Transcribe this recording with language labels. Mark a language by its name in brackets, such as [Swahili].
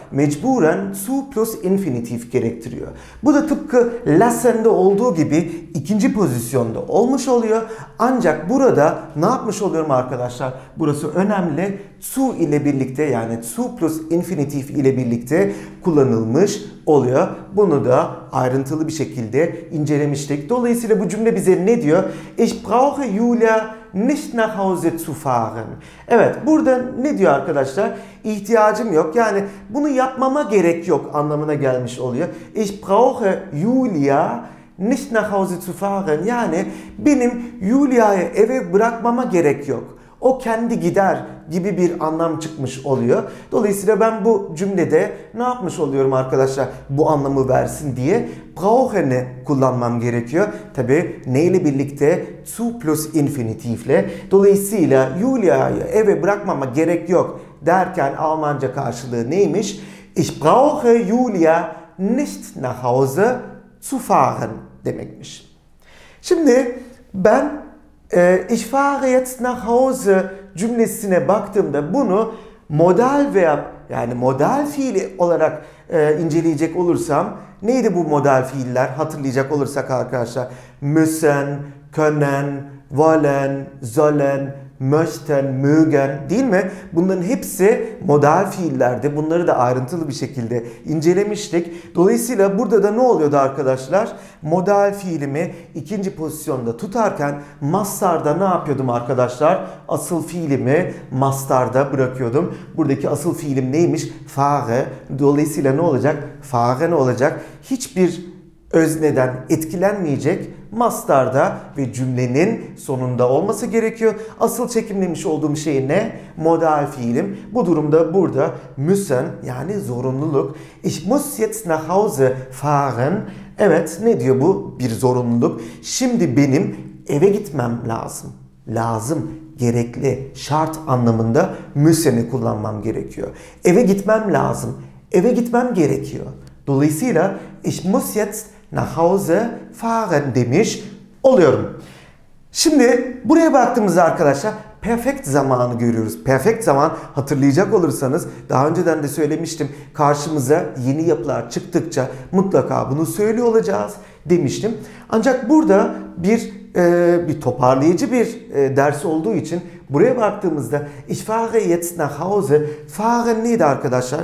[Turkish] Mecburen zu plus infinitif gerektiriyor. Bu da tıpkı lassen'de olduğu gibi ikinci pozisyonda olmuş oluyor. Ancak burada ne yapmış oluyorum arkadaşlar? Burası önemli. Zu ile birlikte yani zu plus infinitif ile birlikte kullanılmış oluyor. Bunu da ayrıntılı bir şekilde incelemiştik. Dolayısıyla bu cümle bize ne diyor? [German] Ich brauche Julia nicht nach Hause zu fahren. [Turkish] Evet, burada ne diyor arkadaşlar? İhtiyacım yok. Yani bunu yapmama gerek yok anlamına gelmiş oluyor. [German] Ich brauche Julia nicht nach Hause zu fahren. [Turkish] Yani benim Julia'yı eve bırakmama gerek yok. O kendi gider gibi bir anlam çıkmış oluyor. Dolayısıyla ben bu cümlede ne yapmış oluyorum arkadaşlar? Bu anlamı versin diye brauchen'i kullanmam gerekiyor. Tabii neyle birlikte? Zu plus infinitifle. Dolayısıyla Julia'yı eve bırakmama gerek yok derken Almanca karşılığı neymiş? [German] Ich brauche Julia nicht nach Hause zu fahren [Turkish] demekmiş. Şimdi ben [German] Ich fahre jetzt nach Hause [Turkish] cümlesine baktığımda bunu modal veya yani modal fiili olarak inceleyecek olursam neydi bu modal fiiller hatırlayacak olursak arkadaşlar müssen, können, wollen, sollen, möchten, mögen değil mi? Bunların hepsi modal fiillerdi. Bunları da ayrıntılı bir şekilde incelemiştik. Dolayısıyla burada da ne oluyordu arkadaşlar? Modal fiilimi ikinci pozisyonda tutarken mastarda ne yapıyordum arkadaşlar? Asıl fiilimi mastarda bırakıyordum. Buradaki asıl fiilim neymiş? Fahre. Dolayısıyla ne olacak? Fahre ne olacak? Hiçbir özneden etkilenmeyecek mastarda ve cümlenin sonunda olması gerekiyor. Asıl çekimlemiş olduğum şey ne? Modal fiilim. Bu durumda burada müssen yani zorunluluk. [German] Ich muss jetzt nach Hause fahren. [Turkish] Evet, ne diyor bu? Bir zorunluluk. Şimdi benim eve gitmem lazım. Lazım, gerekli, şart anlamında müsseni kullanmam gerekiyor. Eve gitmem lazım. Eve gitmem gerekiyor. Dolayısıyla [German] ich muss jetzt nach Hause fahren [Turkish] demiş oluyorum. Şimdi buraya baktığımızda arkadaşlar perfect zamanı görüyoruz. Perfect zaman hatırlayacak olursanız daha önceden de söylemiştim. Karşımıza yeni yapılar çıktıkça mutlaka bunu söylüyor olacağız demiştim. Ancak burada bir toparlayıcı bir ders olduğu için buraya baktığımızda [German] ich fahre jetzt nach Hause fahren [Turkish] neydi arkadaşlar?